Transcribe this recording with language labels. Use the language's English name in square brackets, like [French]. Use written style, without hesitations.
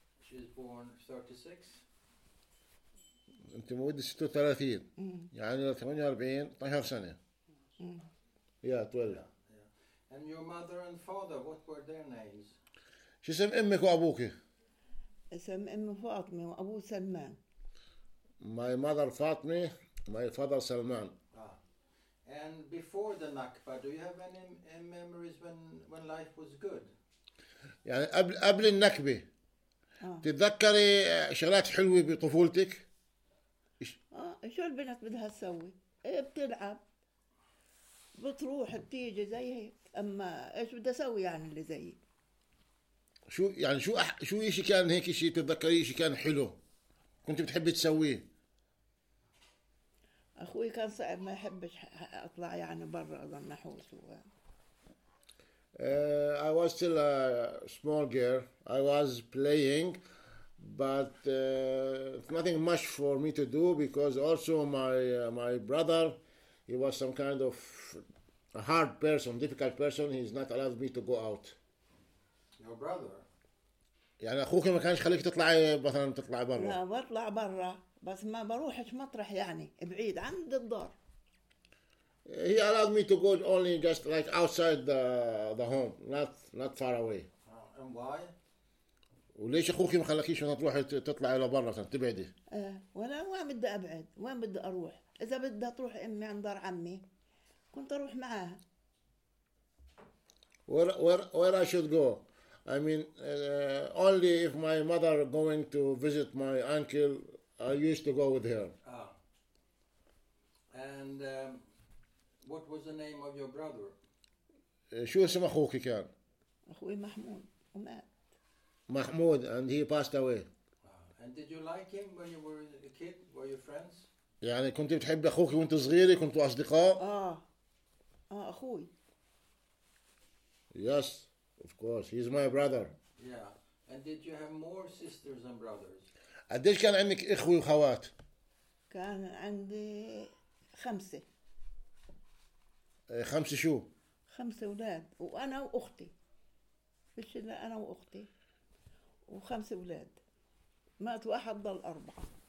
[English] She's born 36. [Arabic] أنت مولودة 36. يعني 48 12 سنة. [English] Yeah, 12. Yeah. And your mother and father, what were their names? [Arabic] شو اسم أمك وأبوك؟ اسم أمي فاطمة وأبو سلمان. [English] My mother Fatima, my father Salman. And before the Nakba, do you have any memories when life was good? [Arabic] يعني قبل النكبة تتذكري شغلات حلوة بطفولتك؟ شو البنت بدها تسوي؟ بتلعب بتروح بتيجي زي هيك. أما إيش بدها تسوي يعني اللي زي شو يعني شو إشي كان هيك إشي تتذكري إشي كان حلو كنت بتحبي تسويه؟ أخوي كان صعب ما يحبش أطلع يعني برا أظن نحوس و. [English] I was still a small girl. I was playing, but nothing much for me to do because also my brother, he was some kind of a hard person, difficult person. He's not allowed me to go out. Your brother. [Arabic] يعني أخوك ما كانش خليك تطلعي مثلا تطلع برا. لا بطلع برا. بس ما بروحش مطرح يعني بعيد عند الدار. [English] He allowed me to go only just like outside the home, not far away. And why? [Arabic] وليش أخوك ما خلكيش تروح تطلع إلى برا تبعدي؟ ولا وين بدي أبعد؟ وين بدي أروح؟ إذا بدي تروح أمي عند دار عمي كنت أروح معاها. [English] Where I should go? I mean only if my mother going to visit my uncle. I used to go with her. Ah. And what was the name of your brother? [Arabic] شو اسم اخوك كان؟ اخوي محمود ومات. [English] محمود and he passed away. And did you like him when you were a kid? Were you friends? [Arabic] يعني كنت بتحب اخوك وانت صغير؟ كنتوا اصدقاء؟ اخوي. [English] Yes, of course. He's my brother. Yeah. And did you have more sisters and brothers? [Arabic] قديش كان عندك اخوي وخوات؟ كان عندي خمسة. خمسة شو؟ خمسة أولاد وأنا وأختي. فيش إلا أنا وأختي. وخمسة أولاد. مات واحد ضل أربعة.